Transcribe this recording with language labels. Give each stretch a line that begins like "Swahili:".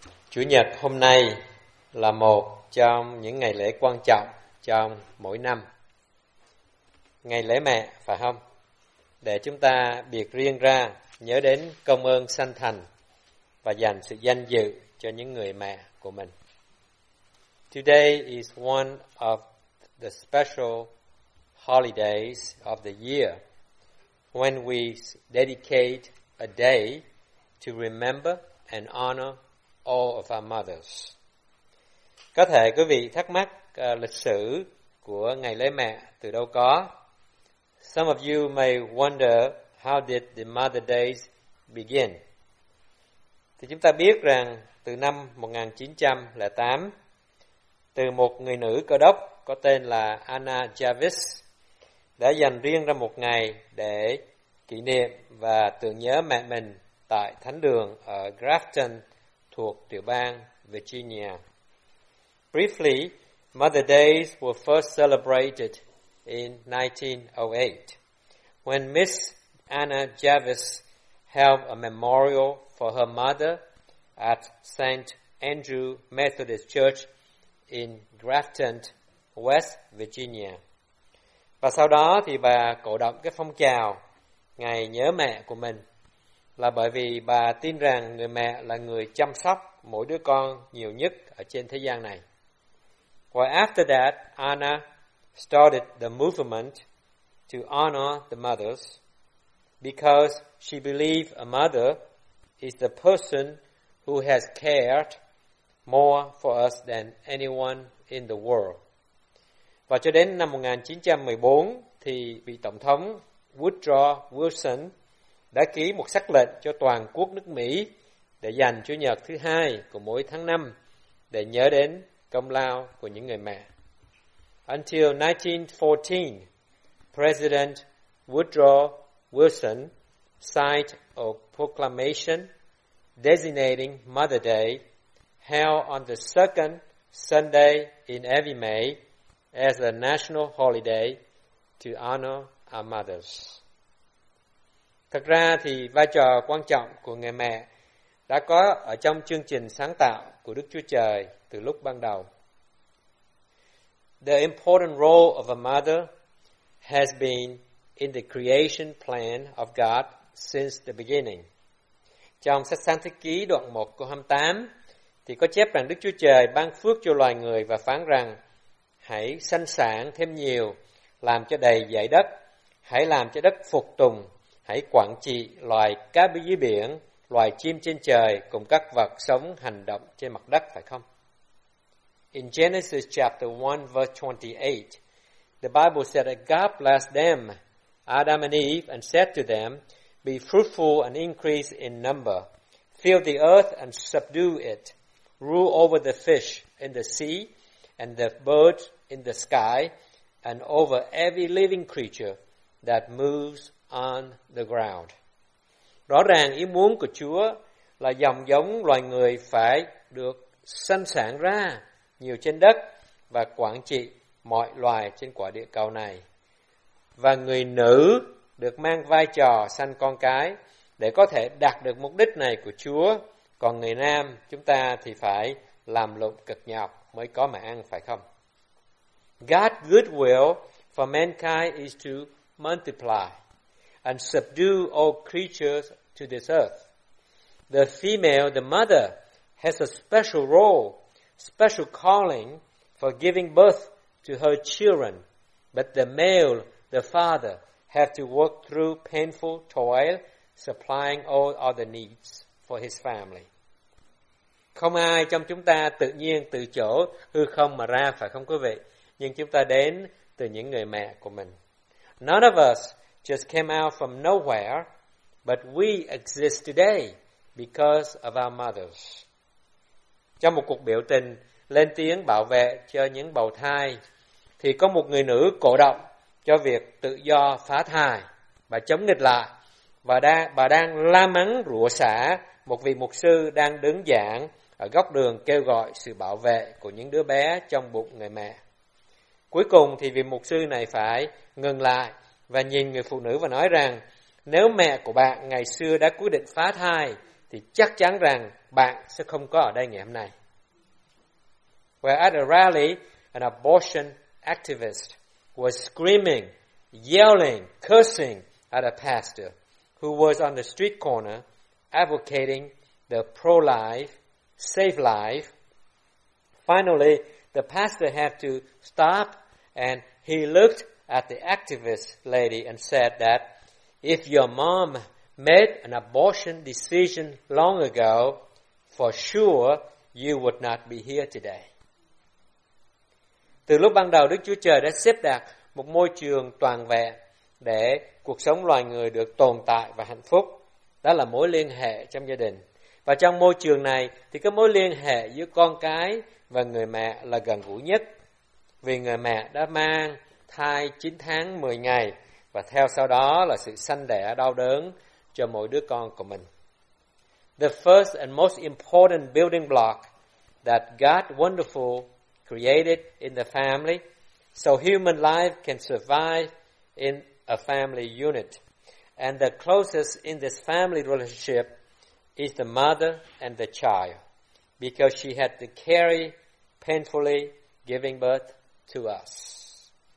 Vietnamese: Chủ nhật hôm nay là một trong những ngày lễ quan trọng trong mỗi năm. Ngày lễ mẹ, phải không? Để chúng ta biệt riêng ra nhớ đến công ơn sanh thành và dành sự danh dự cho những người mẹ của mình.
English: Today is one of the special holidays of the year when we dedicate a day to remember and honor all of our mothers.
Vietnamese: Có thể quý vị thắc mắc lịch sử của ngày lễ mẹ từ đâu có.
English: Some of you may wonder how did the Mother Days begin.
Vietnamese: Thì chúng ta biết rằng từ năm 1908, từ một người nữ Cơ đốc có tên là Anna Jarvis đã dành riêng ra một ngày để kỷ niệm và tưởng nhớ mẹ mình tại thánh đường ở Grafton thuộc tiểu bang Virginia.
English: Briefly, Mother Days were first celebrated in 1908 when Miss Anna Jarvis held a memorial for her mother at St. Andrew Methodist Church in Grafton, West Virginia.
Vietnamese: Và sau đó thì bà cổ động cái phong trào ngày nhớ mẹ của mình là bởi vì bà tin rằng người mẹ là người chăm sóc mỗi đứa con nhiều nhất ở trên thế gian này.
English: Well, after that, Anna started the movement to honor the mothers because she believed a mother is the person who has cared more for us than anyone in the world.
Vietnamese: Và cho đến năm 1914 thì vị Tổng thống Woodrow Wilson đã ký một sắc lệnh cho toàn quốc nước Mỹ để dành Chủ nhật thứ hai của mỗi tháng năm để nhớ đến công lao của những người mẹ.
English: Until 1914, President Woodrow Wilson signed a proclamation designating Mother Day, held on the second Sunday in every May, as a national holiday to honor our mothers.
Vietnamese: Thật ra thì vai trò quan trọng của người mẹ đã có ở trong chương trình sáng tạo của Đức Chúa Trời từ lúc ban đầu.
English: The important role of a mother has been in the creation plan of God since the beginning.
Vietnamese: Trong sách Sáng Thế Ký đoạn 1 câu 28 thì có chép rằng Đức Chúa Trời ban phước cho loài người và phán rằng hãy sanh sản thêm nhiều, làm cho đầy dãy đất, hãy làm cho đất phục tùng, hãy quản trị loài cá dưới biển, loài chim trên trời cùng các vật sống hành động trên mặt đất, phải không?
English: In Genesis chapter 1 verse 28, the Bible said that God blessed them, Adam and Eve, and said to them, be fruitful and increase in number, fill the earth and subdue it, rule over the fish in the sea and the birds in the sky and over every living creature that moves on the ground.
Vietnamese: Rõ ràng ý muốn của Chúa là dòng giống loài người phải được sanh sản ra nhiều trên đất và quản trị mọi loài trên quả địa cầu này. Và người nữ được mang vai trò sanh con cái để có thể đạt được mục đích này của Chúa. Còn người nam, chúng ta thì phải làm lụng cực nhọc mới có mà ăn, phải không?
English: God's good will for mankind is to multiply and subdue all creatures to this earth. The female, the mother, has a special role, special calling for giving birth to her children. But the male, the father, have to work through painful toil, supplying all other needs for his family.
Vietnamese: Không ai trong chúng ta tự nhiên từ chỗ hư không mà ra, phải không quý vị? Nhưng chúng ta đến từ những người mẹ của mình.
English: None of us just came out from nowhere, but we exist today because of our mothers.
Vietnamese: Trong một cuộc biểu tình lên tiếng bảo vệ cho những bầu thai, thì có một người nữ cổ động cho việc tự do phá thai. Bà chống nghịch lại và bà đang la mắng rủa xả một vị mục sư đang đứng giảng ở góc đường kêu gọi sự bảo vệ của những đứa bé trong bụng người mẹ. Cuối cùng thì vị mục sư này phải ngừng lại và nhìn người phụ nữ và nói rằng, nếu mẹ của bạn ngày xưa đã quyết định phá thai, thì chắc chắn rằng bạn sẽ không có ở đây ngày hôm nay.
English: Well, at a rally, an abortion activist was screaming, yelling, cursing at a pastor who was on the street corner advocating the pro-life, safe life. Finally, the pastor had to stop and he looked at the activist lady and said that if your mom made an abortion decision long ago, for sure you would not be here today.
Vietnamese: Từ lúc ban đầu, Đức Chúa Trời đã xếp đặt một môi trường toàn vẹn để cuộc sống loài người được tồn tại và hạnh phúc. Đó là mối liên hệ trong gia đình. Và trong môi trường này thì cái mối liên hệ giữa con cái và người mẹ là gần gũi nhất. Vì người mẹ đã mang thai 9 tháng 10 ngày và theo sau đó là sự sanh đẻ đau đớn cho mỗi đứa con của mình.
English: The first and most important building block that God wonderful created in the family so human life can survive in a family unit. And the closest in this family relationship is the mother and the child, because she had to carry painfully giving birth to us.